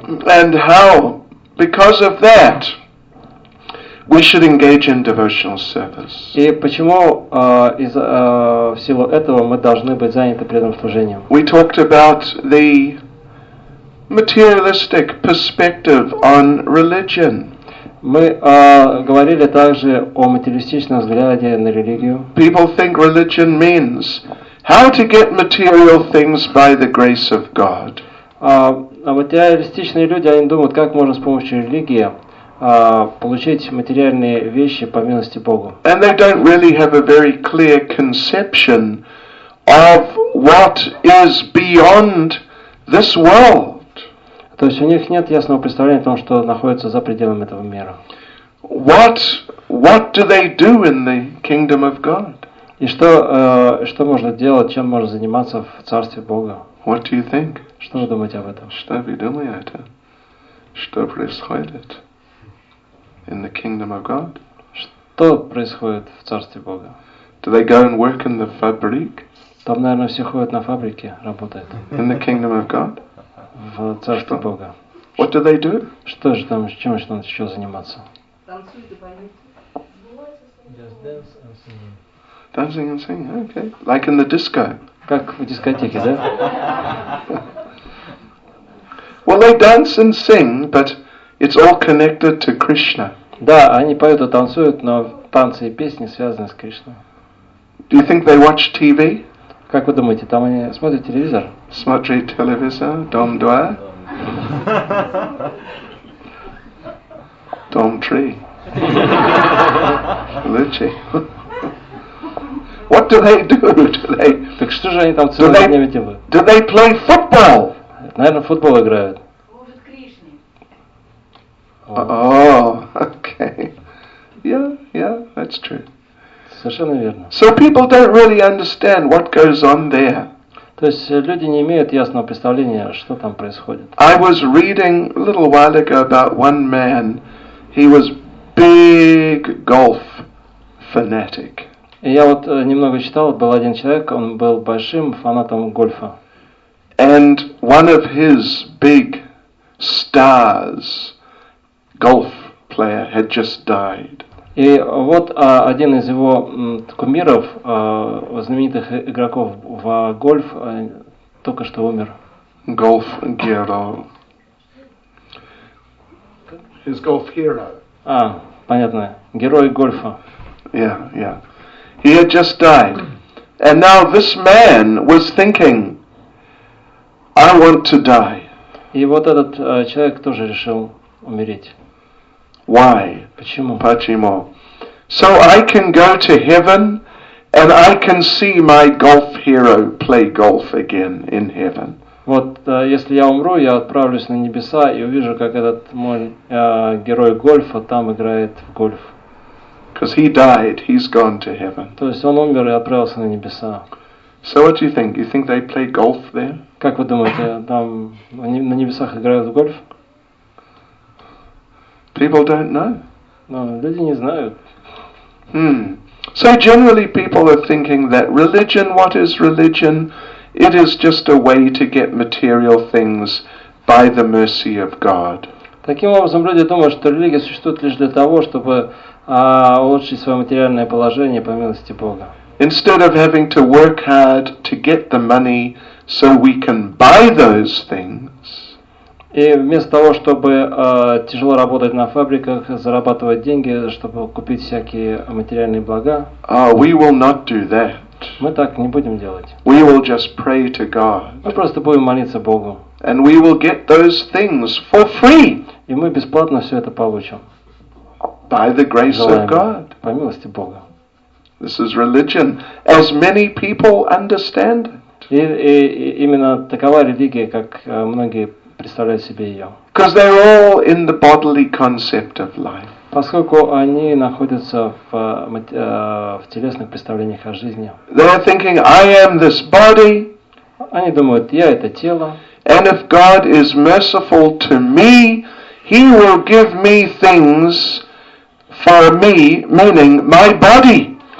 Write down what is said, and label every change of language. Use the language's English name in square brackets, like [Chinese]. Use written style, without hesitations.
[English] And how, because of that, we should engage in devotional service. [Russian] И почему из всего этого мы должны быть заняты преданным служением? [English] We talked about the materialistic perspective on religion. [Russian] Мы говорили также о материалистичном взгляде на религию. [English] People think religion means how to get material things by the grace of God. [Russian] А материалистичные люди, они думают, как можно с помощью религии получить материальные вещи по милости Бога. [English] And they don't really have a very clear conception of what is beyond this world. [Russian] То есть у них нет ясного представления о том, что находится за пределами этого мира. [English] What do they do in the kingdom of God? [Russian] И что что можно делать, чем можно заниматься в царстве Бога? [English] What do you think? [Russian] Что вы думаете об этом? Что вы думаете? Что происходит? [English] in the kingdom of God? [Russian] Что происходит в Царстве Бога? [English] Do they go and work in the fabric? [Russian] Там, наверное, все ходят на фабрике, работают. [English] In the kingdom of God? [Russian] В Царстве что? Бога. [English] What do they do? [Russian] Что же там, чем же там еще заниматься? [English] Just dance and singing. Dancing and singing, okay. Like in the disco. [Russian] Как в дискотеке, да? [English] Well, they dance and sing, but it's all connected to Krishna. [Russian] Да, они поют и танцуют, но танцы и песни связаны с Кришной. [English] Do you think they watch TV? [Russian] Как вы думаете, там они смотрят телевизор? Смотрят телевизор, дом 2. Дом 3. Лучи. [English] What do they do? [Russian] Так что же они там целыми днями делают? [English] Do they play football? [Russian] Наверное, в футбол играют. [English] Oh, okay. Yeah, that's true. [Russian] Совершенно верно. [English] So people don't really understand what goes on there. [Russian] То есть люди не имеют ясного представления, что там происходит. [English] I was reading a little while ago about one man. He was big golf fanatic. [Russian] И я вот немного читал, был один человек, он был большим фанатом гольфа. [English] And one of his big stars, golf player, had just died. [Russian] И вот один из его кумиров, знаменитых игроков в гольф, только что умер. [English] Golf hero. His golf hero. [Russian] А, понятно. Герой гольфа. [English] Yeah. He had just died. And now this man was thinking, I want to die. [Russian] И вот этот человек тоже решил умереть. [English] Why? [Russian] Почему? Почему? [English] So I can go to heaven and I can see my golf hero play golf again in heaven. [Russian] Вот, если я умру, я отправлюсь на небеса и увижу, как этот мой герой гольфа там играет в гольф. [English] Because he died, he's gone to heaven. [Russian] То есть он умер и отправился на небеса. [English] So what do you think? You think they play golf there? [Russian] Как вы думаете, там они на небесах играют в гольф? [English] People don't know. [Russian] Но люди не знают. [English] So generally people are thinking that religion, what is religion? It is just a way to get material things by the mercy of God. [Russian] Таким образом, люди думают, что религия существует лишь для того, чтобы улучшить свое материальное положение по милости Бога. [English] Instead of having to work hard to get the money so we can buy those things. [Russian] И вместо того, чтобы тяжело работать на фабриках, зарабатывать деньги, чтобы купить всякие материальные блага. [English] We will not do that. [Russian] Мы так не будем делать. [English] We will just pray to God. [Russian] Мы просто будем молиться Богу. [English] And we will get those things for free. [Russian] И мы бесплатно все это получим. [English] By the grace of God. [Russian] По милости Бога. [English] This is religion, as many people understand it. [Russian] И именно такова религия, как многие представляют себе ее. [English] Because they're all in the bodily concept of life. [Russian] Поскольку они находятся в телесных представлениях о жизни. [English] They're thinking, I am this body. [Russian] Они думают, я это тело. [English] And if God is merciful to me, He will give me things for me, meaning my body.